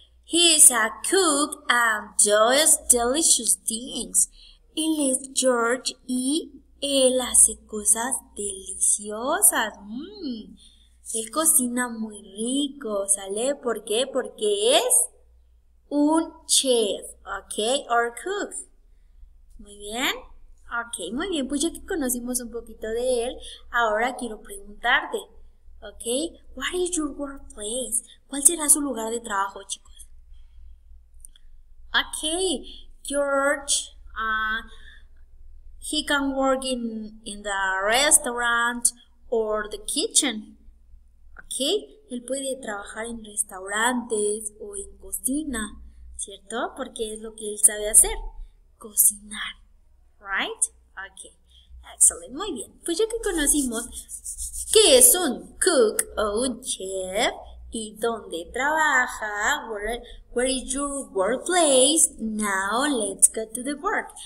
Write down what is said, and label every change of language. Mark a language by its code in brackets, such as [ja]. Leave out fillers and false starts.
[en] He is a cook and does delicious things. [es] Él es George y él hace cosas deliciosas. Él cocina muy rico, ¿sale? ¿Por qué? Porque es un chef, ¿ok? [en] Or cook. [es] Muy bien. Ok, muy bien. Pues ya que conocimos un poquito de él, ahora quiero preguntarte, ¿ok? [en] What is your workplace? [es] ¿Cuál será su lugar de trabajo, chicos? [en] Ok, George, he can work in the restaurant or the kitchen. Okay. [es] Él puede trabajar en restaurantes o en cocina, ¿cierto? Porque es lo que él sabe hacer, cocinar, [en] right? Ok, excellent, [es] muy bien. Pues ya que conocimos qué es un cook o un chef y dónde trabaja, [en] where is your workplace, now let's go to the work.